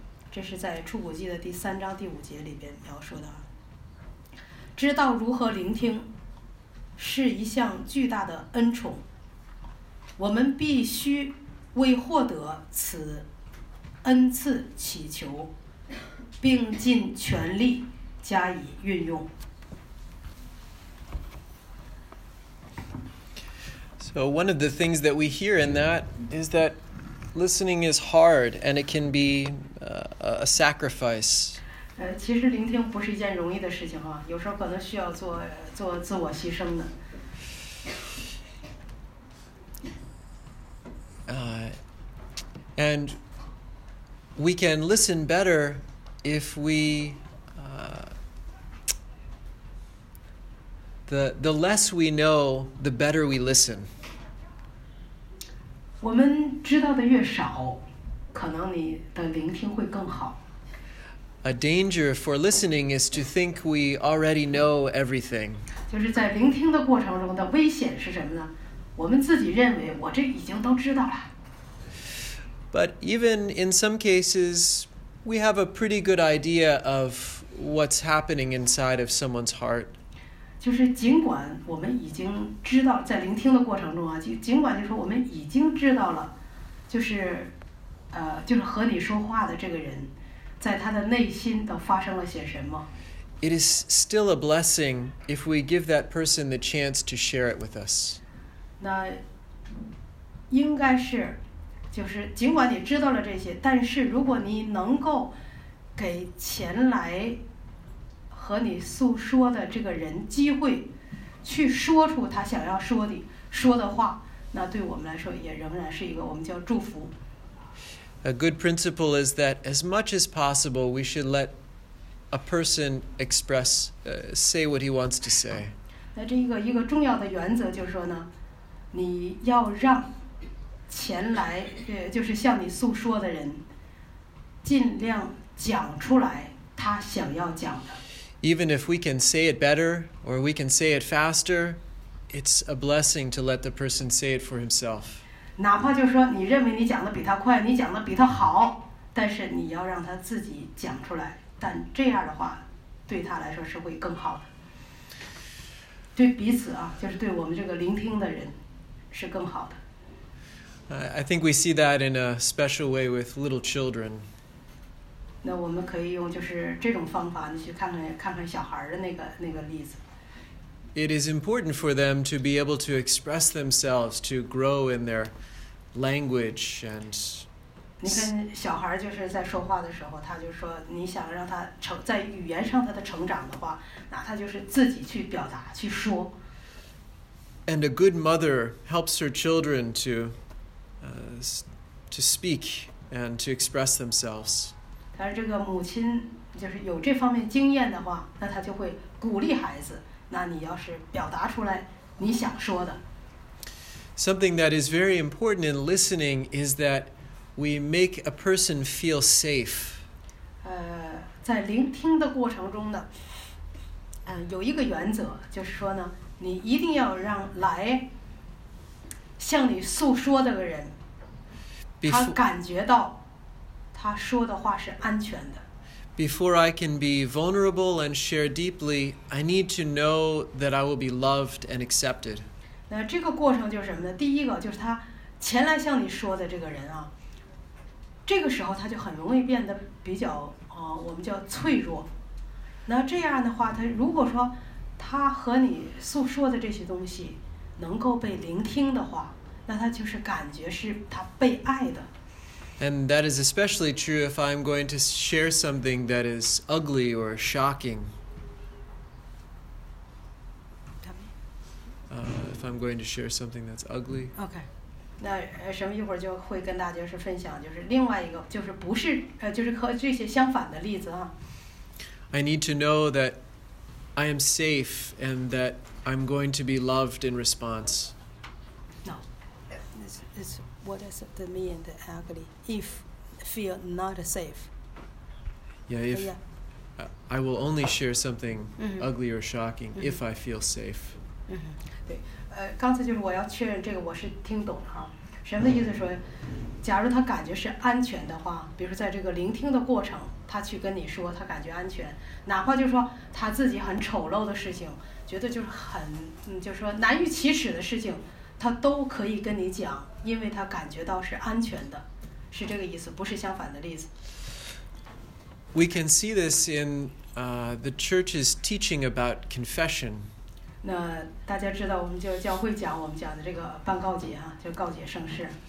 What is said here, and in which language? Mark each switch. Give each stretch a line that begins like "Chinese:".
Chinese: 这是在《出谷记》的第三章第五节里边描述的。知道如何聆听是一项巨大的恩宠，我们必须为获得此恩赐祈求，并尽全力加以运用。
English: So one of the things that we hear in that is that listening is hard and it can be a sacrifice.
Chinese: 其实聆听不是一件容易的事情啊，有时候可能需要做自我牺牲的。
English: And we can listen better if we the less we know, the better we listen.
Chinese: 我们知道的越少，可能你的聆听会更好。
English: A danger for listening is to think we already know everything.
Chinese: 就是在聆听的过程中的危险是什么呢？我们自己认为我这已经都知道了。
English: But even in some cases, we have a pretty good idea of what's happening inside of someone's heart.
Chinese: 就是尽管我们已经知道，在聆听的过程中啊，尽管就是我们已经知道了，就是和你说话的这个人，在他的内心都发生了些什么。
English: It is still a blessing if we give that person the chance to share it with us.
Chinese: 那应该是。就是尽管你知道了这些，但是如果你能够给前来和你诉说的这个人机会去说出他想要说的话，那对我们来说也仍然是一个我们叫祝福。
English: A good principle is that as much as possible we should let a person express say what he wants to say.
Chinese: 那这一个重要的原则就是说呢，你要让前来，就是向你诉说的人，尽量讲出来他想要讲的。
English: Even if we can say it better or we can say it faster, it's a blessing to let the person say it for himself.
Chinese: 哪怕就是说你认为你讲的比他快，你讲的比他好，但是你要让他自己讲出来，但这样的话，对他来说是会更好的。对彼此啊，就是对我们这个聆听的人，是更好的。
English: I think we see that in a special way with little children.
Chinese: 那我们可以用就是这种方法，你去看看小孩的那个例子。
English: It is important for them to be able to express themselves, to grow in their language and.
Chinese: 你看小孩就是在说话的时候，他就说你想让他成在语言上他的成长的话，那他就是自己去表达去说。
English: And a good mother helps her children to. To speak and to express themselves.
Chinese: 但是这个母亲就是有这方面经验的话，那她就会鼓励孩子。那你要是表达出来你想说的。
English: Something that is very important in listening is that we make a person feel safe.
Chinese: 在聆听的过程中呢，有一个原则，就是说呢，你一定要让来向你诉说的人。他感觉到他说的话是安全的。
English: Before I can be vulnerable and share deeply, I need to know that I will be loved and accepted.
Chinese: 那这个过程就是什么呢？第一个就是他前来向你说的这个人啊，这个时候他就很容易变得比较我们叫脆弱。那这样的话，他如果说他和你诉说的这些东西能够被聆听的话，那他就是感觉是他被爱的。
English: And that is especially true if I'm going to share something that is ugly or shocking. If I'm going to share something that's ugly. Okay.
Chinese: 那什么一会儿就会跟大家是分享，就是另外一个，就是不是，就是和这些相反的例子啊。
English: I need to know that I am safe and that I'm going to be loved in response. No. It's what does it mean, the ugly? If feel not safe. Yeah, if I will only share something ugly or shocking if I feel safe.
Chinese: 对，刚才就是我要确认这个我是听懂了哈。什么意思说，假如他感觉是安全的话，比如说在这个聆听的过程，他去跟你说他感觉安全，哪怕就是说他自己很丑陋的事情，觉得就是很就是说难于启齿的事情，他都可以跟你讲，因为他感觉到是安全的，是这个意思，不是相反的例子。
English: We can see this in the church's teaching about confession.
Chinese: 那大家知道，我们就教会讲我们讲的这个办告解啊，就告解圣事。